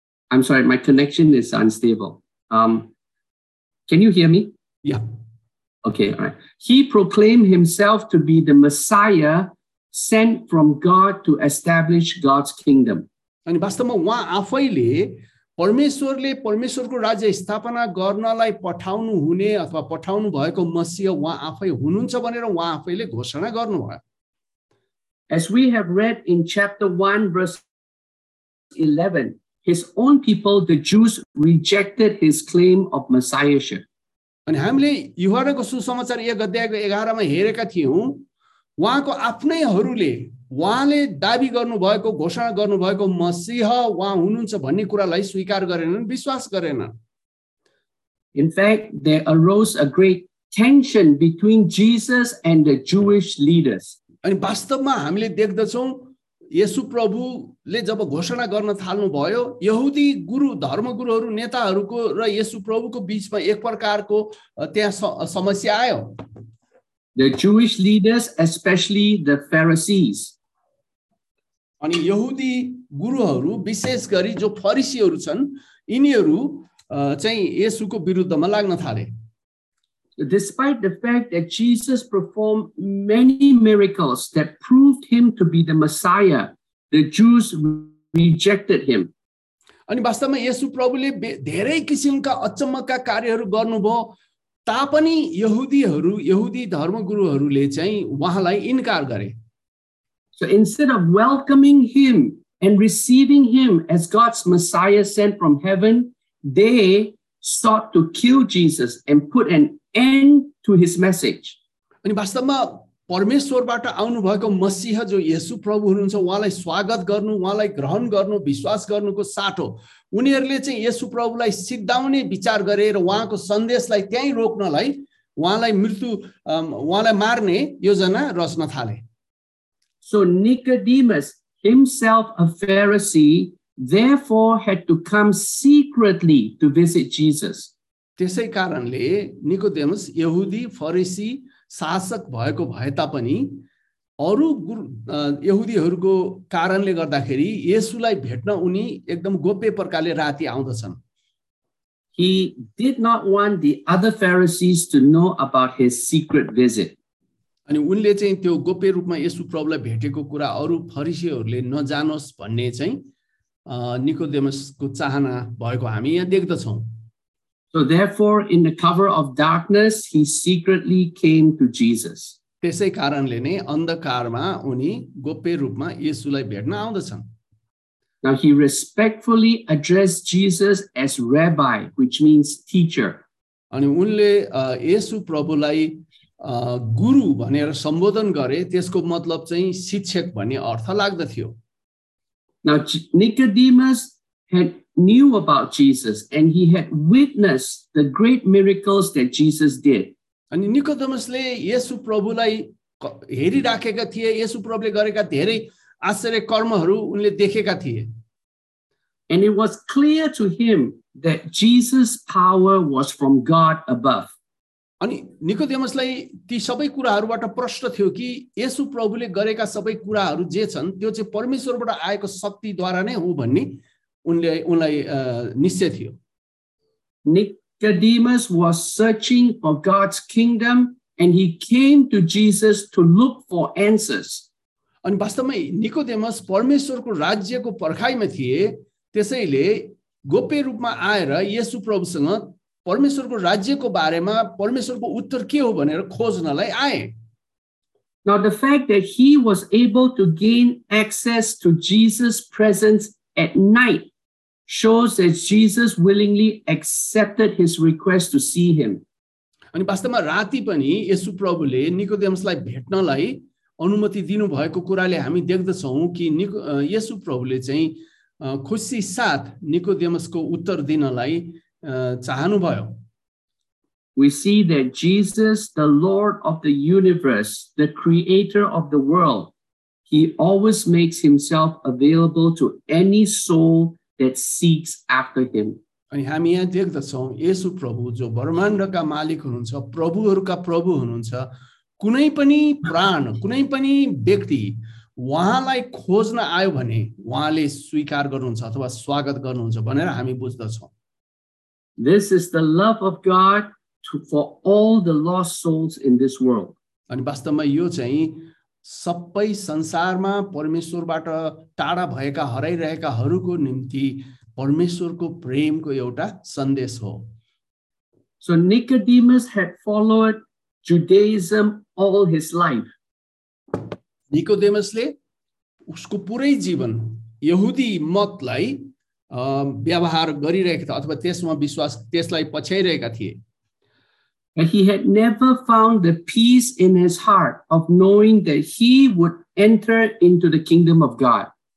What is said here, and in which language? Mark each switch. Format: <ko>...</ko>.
<en>I'm sorry, my connection is unstable. Can you hear me? Yeah. Okay, all right. He proclaimed himself to be the Messiah sent from God to establish God's kingdom.</en> <ne>अनि वास्तवमा उहाँ आफैले परमेश्वरले परमेश्वरको राज्य स्थापना गर्नलाई पठाउनु हुने अथवा पठाउनु भएको मसीह उहाँ आफै हुनुहुन्छ भनेर उहाँ आफैले घोषणा गर्नुभयो.</ne> <en>As we have read in chapter 1 verse 11, his own people, the Jews, rejected his claim of messiahship.</en> <ne>अनि हामीले युहन्नाको सुसमाचार 1 अध्यायको 11 मा हेरेका थियौँ उहाँको आफ्नैहरूले उहाँले दावी गर्नुभएको घोषणा गर्नुभएको मसीह उहाँ हुनुहुन्छ भन्ने कुरालाई स्वीकार गरेनन्, विश्वास गरेनन्.</ne> <en>In fact, there arose a great tension between Jesus and the Jewish leaders.</en> <ne>अनि वास्तवमा हामीले देख्दछौँ येशु प्रभुले जब घोषणा गर्न थाल्नुभयो यहुदी गुरु धर्मगुरुहरू नेताहरूको र येशु प्रभुको बीचमा एक प्रकारको त्यहाँ समस्या आयो.</ne> <en>The Jewish leaders, especially the Pharisees.</en> <ne>अनि यहुदी गुरुहरू विशेष गरी जो फरिसीहरू छन् यिनीहरू चाहिँ येशुको विरुद्धमा लाग्न थाले.</ne> <en>Despite the fact that Jesus performed many miracles that proved him to be the Messiah, the Jews rejected him.</en> <ne>अनि वास्तवमा येशु प्रभुले धेरै किसिमका अचम्मका कार्यहरू गर्नुभयो तापनि यहुदीहरू यहुदी धर्मगुरुहरूले चाहिँ उहाँलाई इन्कार गरे.</ne> <en>So instead of welcoming him and receiving him as God's Messiah sent from heaven, they sought to kill Jesus and put an end to his message.</en> <ne>अनि वास्तवमा परमेश्वरबाट आउनु भएको मसीह जो येशू प्रभु हुनुहुन्छ उहाँलाई स्वागत गर्नु उहाँलाई ग्रहण गर्नु विश्वास गर्नुको साटो उनीहरूले चाहिँ येशू प्रभुलाई सिद्धाउने विचार गरे र उहाँको सन्देशलाई त्यहीँ रोक्नलाई उहाँलाई मृत्यु उहाँलाई मार्ने योजना रच्न थाले.</ne> <en>So Nicodemus, himself a Pharisee, therefore had to come secretly to visit Jesus.</en> <ne>त्यसै कारणले निकोदेमस यहुदी फरिसी शासक भएको भए तापनि अरू यहुदीहरूको कारणले गर्दाखेरि येशूलाई भेट्न उनी एकदम गोप्य प्रकारले राति आउँदछन्.</ne> <en>He did not want the other Pharisees to know about his secret visit.</en> <ne>अनि उनले चाहिँ त्यो गोप्य रूपमा येशू प्रभुलाई भेटेको कुरा अरू फरिसीहरूले नजानोस् भन्ने चाहिँ निकोदेमसको चाहना भएको हामी यहाँ देख्दछौँ.</ne> <en>So therefore in the cover of darkness he secretly came to Jesus.</en> <ne>त्यसै कारणले नै अन्धकारमा उनी गोप्य रूपमा येशूलाई भेट्न आउँदछन्.</ne> <en>Now he respectfully addressed Jesus as rabbi, which means teacher.</en> <ne>अनि उनले येशू प्रभुलाई गुरु भनेर सम्बोधन गरे त्यसको मतलब चाहिँ शिक्षक भन्ने अर्थ लाग्दथ्यो.</ne> <en>Now Nicodemus had knew about Jesus and he had witnessed the great miracles that Jesus did.</en> <ne>अनि निकोदेमसले येशू प्रभुलाई हेरिराखेका थिए येशू प्रभुले गरेका धेरै आश्चर्य कर्महरू उनले देखेका थिए.</ne> <en>And it was clear to him that Jesus' power was from God above.</en> <ne>अनि निकोदेमसलाई ती सबै कुराहरूबाट प्रश्न थियो कि येशू प्रभुले गरेका सबै कुराहरू जे छन् त्यो चाहिँ परमेश्वरबाट आएको शक्तिद्वारा नै हो भन्ने उनलाई निश्चय थियो.</ne> <en>Nicodemus was searching for God's kingdom and he came to Jesus to look for answers.</en> <ne>अनि वास्तवमै निकोदेमस परमेश्वरको राज्यको पर्खाइमा थिए त्यसैले गोप्य रूपमा आएर येशू प्रभुसँग परमेश्वरको राज्यको बारेमा परमेश्वरको उत्तर के हो भनेर खोज्नलाई आए.</ne> <en>Now the fact that he was able to gain access to Jesus' presence at night shows that Jesus willingly accepted his request to see him.</en> <ne>अनि वास्तवमा राति पनि येशू प्रभुले निकोदेमसलाई भेट्नलाई अनुमति दिनुभएको कुराले हामी देख्दछौँ कि येशू प्रभुले चाहिँ खुसी साथ निकोदेमसको उत्तर दिनलाई चाहनुभयो.</ne> <en>We see that Jesus, the Lord of the universe, the creator of the world, he always makes himself available to any soul that seeks after him.</en> <ne>अनि हामी यहाँ देख्दछौँ येशू प्रभु जो ब्रह्माण्डका मालिक हुनुहुन्छ प्रभुहरूका प्रभु हुनुहुन्छ कुनै पनि प्राण कुनै पनि व्यक्ति उहाँलाई खोज्न आयो भने उहाँले स्वीकार गर्नुहुन्छ अथवा स्वागत गर्नुहुन्छ भनेर हामी बुझ्दछौँ.</ne> <en>This is the love of God for all the lost souls in this world.</en> <ne>अनि वास्तवमा यो चाहिँ सबै संसारमा परमेश्वरबाट टाढा भएका हराइरहेकाहरूको निम्ति परमेश्वरको प्रेमको एउटा सन्देश हो.</ne> <en>So Nicodemus had followed Judaism all his life.</en> <ne>निकोदेमसले उसको पुरै जीवन यहुदी मतलाई व्यवहार गरिरहेका थिए अथवा त्यसमा विश्वास त्यसलाई पछ्याइरहेका थिए.</ne> <en>He had never found the peace in his heart of knowing that he would enter into the kingdom of God.</en>